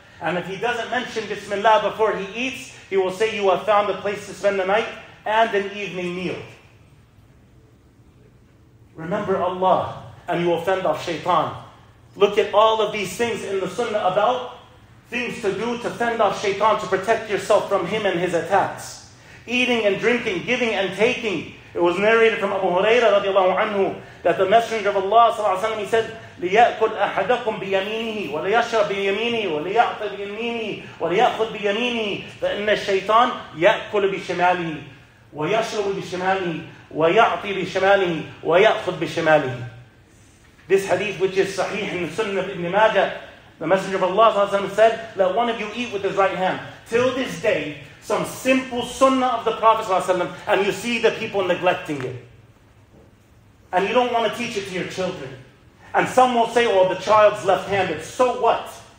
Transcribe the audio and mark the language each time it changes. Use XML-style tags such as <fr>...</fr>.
<en>And if he doesn't mention Bismillah before he eats, he will say, you have found a place to spend the night and an evening meal. Remember Allah and you will fend off Shaytan. Look at all of these things in the Sunnah about things to do to fend off Shaytan, to protect yourself from him and his attacks. Eating and drinking, giving and taking. It was narrated from Abu Huraira radiallahu anhu that the Messenger of Allah sallallahu alaihi wasallam, he said,</en> <ar>لِيَأْكُلْ أَحَدَكُمْ بِيَمِينِهِ وَلِيَشْرَبْ بِيَمِينِهِ وَلِيَعْطِ بِيَمِينِهِ وَلِيَأْخُذْ بِيَمِينِهِ فَإِنَّ الشَّيْطَانَ يَأْكُلُ بِشِمَالِهِ وَيَشْرَبُ بِشِمَالِهِ وَيَعْطِي بِشِمَالِهِ وَيَأْخُذْ بِشِمَالِهِ.</ar> <en>This hadith, which is sahih in the Sunnah of Ibn Majah, the Messenger of Allah sallallahu alaihi wasallam said, let one of you eat with his right hand. Till this day, some simple sunnah of the Prophet sallallahu alaihi wasallam, and you see the people neglecting it. And you don't want to teach it to your children. And some will say, oh, the child's left-handed. So what?</en>